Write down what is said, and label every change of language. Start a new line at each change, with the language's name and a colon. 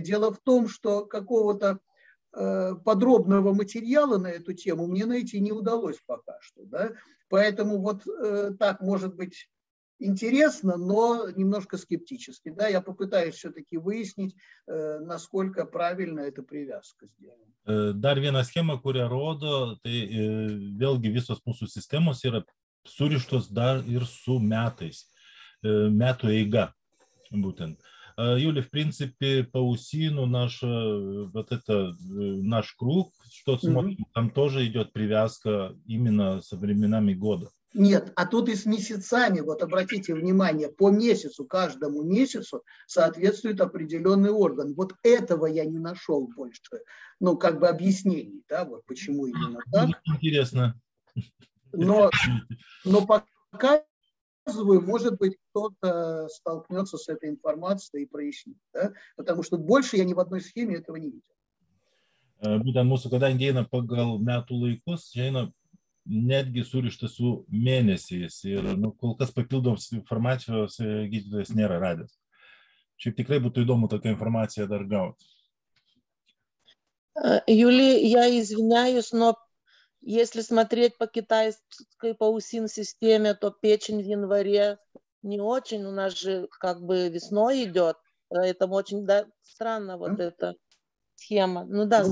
Russian: Дело в том, что какого-то подробного материала на эту тему мне найти не удалось пока что. Да? Поэтому вот так может быть интересно, но немножко скептически. Да, я попытаюсь все-таки выяснить, насколько правильно эта привязка сделана.
Lithuanian: Dar viena схема, kuria rodo, tai vėlgi visos mūsų sistemos yra surištos dar ir su metais. Metų eiga, būtent.
Russian: Юля, в принципе, по УСИ, ну, наш, вот это, наш круг, что смотрим, там тоже идет привязка именно со временами года. Нет, а тут и с месяцами, вот обратите внимание, по месяцу, каждому месяцу соответствует определенный орган. Вот этого я не нашел больше, ну, как бы объяснений, да, вот почему именно так. Интересно. Но показываю, может быть, кто-то столкнется с этой информацией и прояснит, да, потому что больше я ни в одной схеме этого не видел.
Lithuanian: Būtent mūsų, kadangi eina pagal metų laikus, eina netgi surišta su mėnesiais ir nu, kol kas papildomos informacijos gydytojas nėra radęs. Šiaip tikrai būtų įdomu tokią informaciją dar gauti.
Russian: Юли, я извиняюсь, но если смотреть по китайской по УСИН системе, то печень в январе не очень, у нас же как бы весной идет, поэтому очень да, странно вот это. Схема. Ну да, ну,